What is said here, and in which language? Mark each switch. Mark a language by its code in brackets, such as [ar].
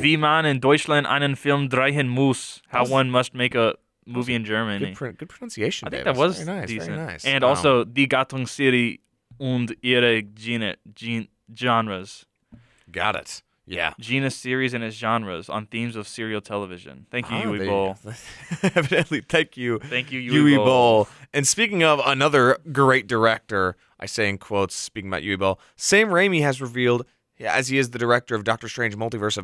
[de] Wie man in Deutschland einen Film drehen muss. [en] How one must make a movie in Germany. Good pronunciation, Davis. I think that was very nice. And also, [de] Die Gattungsserie und ihre genres. [en] Got it. Yeah. Genus series and its genres on themes of serial television. Thank you, Uwe Boll. Evidently, thank you. Thank you, Uwe Boll. And speaking of another great director, I say in quotes, speaking about Uwe Boll, Sam Raimi has revealed as he is the director of Doctor Strange Multiverse of